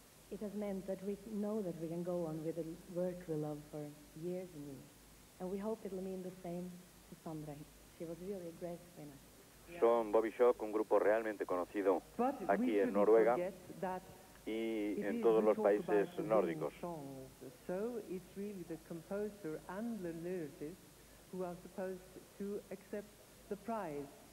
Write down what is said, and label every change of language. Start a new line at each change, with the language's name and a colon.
English: It has meant that we know that we can go on with the work we love for years and years. And we hope it will mean the same to Sandra. She was really a great winner.
Spanish: Son Body Shock, un grupo realmente conocido aquí en Noruega y en todos los países nórdicos.
English: So it's really the composer and the lyricist who are supposed to accept the prize.